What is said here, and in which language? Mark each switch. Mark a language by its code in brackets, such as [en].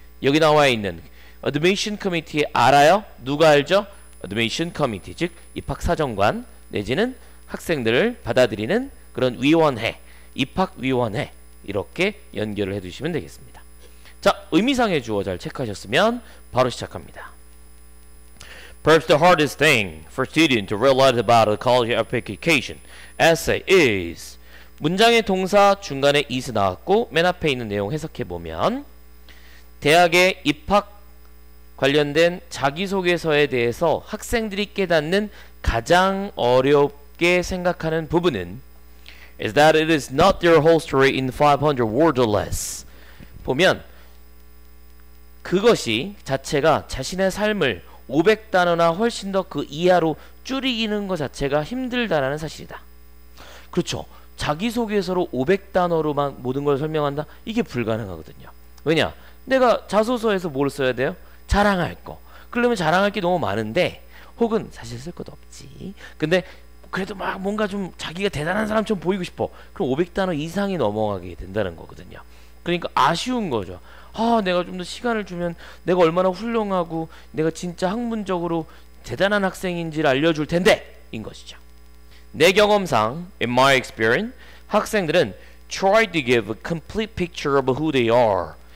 [ko] 여기 나와 있는 admission committee 알아요? 누가 알죠? admission committee 즉 입학사정관 내지는 학생들을 받아들이는 그런 위원회 입학위원회 이렇게 연결을 해두시면 되겠습니다. 자, 의미상의 주어 잘 체크하셨으면 바로 시작합니다. [en] Perhaps the hardest thing for students to realize about a college application essay is [ko] 문장의 동사 중간에 is 나왔고 맨 앞에 있는 내용 해석해보면 대학의 입학 관련된 자기소개서에 대해서 학생들이 깨닫는 가장 어렵게 생각하는 부분은 [en] is that it is not their whole story in 500 words or less. [ko] 보면 그것이 자체가 자신의 삶을 500단어나 훨씬 더 그 이하로 줄이는 것 자체가 힘들다라는 사실이다. 그렇죠. 자기소개서로 500단어로만 모든 걸 설명한다? 이게 불가능하거든요. 왜냐? 내가 자소서에서 뭘 써야 돼요? 자랑할 거. 그러면 자랑할 게 너무 많은데 혹은 사실 쓸 것도 없지. 근데 그래도 막 뭔가 좀 자기가 대단한 사람처럼 보이고 싶어. 그럼 500단어 이상이 넘어가게 된다는 거거든요. 그러니까 아쉬운 거죠. 아, 내가 좀 더 시간을 주면 내가 얼마나 훌륭하고 내가 진짜 학문적으로 대단한 학생인지를 알려줄 텐데 인 것이죠. 내 경험상 [en] in my experience [ko] 학생들은 [en] try to give a complete picture of who they are.